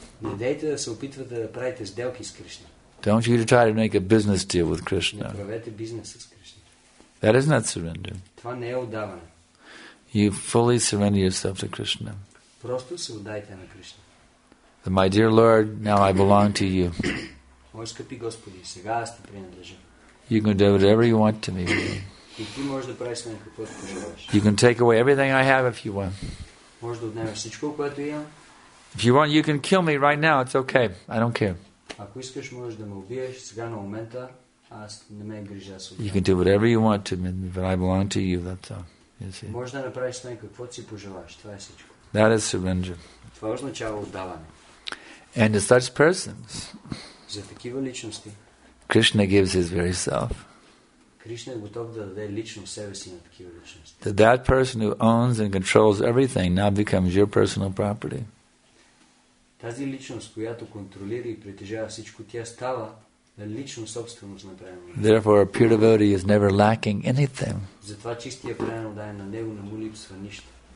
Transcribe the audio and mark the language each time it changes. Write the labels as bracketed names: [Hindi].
[Bulgarian] Не дейте да се опитвате да правите сделки с Кришна. [English] Don't you try to make a business deal with Krishna. [Bulgarian] Не правете бизнес с Кришна. [English] That is not surrender. [Bulgarian] Това не е отдаване. [English] You fully surrender yourself to Krishna. [Bulgarian] Просто се отдайте на Кришна. [English] My dear Lord, now I belong to you. [Bulgarian] Мой скъпи Господи, сега аз ти принадлежа. [English] You can do whatever you want to me. [Bulgarian] И ти можеш да правиш с мен каквото пожелаш. [English] You can take away everything I have if you want. [Bulgarian] Можеш да отнемеш всичко, което имам. [English] If you want, you can kill me right now. It's okay. I don't care. [Bulgarian] Ако искаш, можеш да ме убиеш сега на момента. Аз не ме грижа с това. [English] You can do whatever you want to me, but I belong to you. That's all. You see. [Bulgarian] Можеш да направиш с мен каквото си пожелаш. Това е всичко. [English] That is surrender. [Bulgarian] Това означава отдаване. [English] And to such persons, [Bulgarian] за такива личности, [English] Krishna gives his very self. [Bulgarian] Кришна е готов да даде лично себе си на такива личности. [English] That that person who owns and controls everything now becomes your personal property. [Bulgarian] Тази личност, която контролира и притежава всичко, тя става лично собственост на преданото. [English] Therefore, a pure devotee is never lacking anything. [Bulgarian] Затова чистия преданодай на него не му липсва нищо.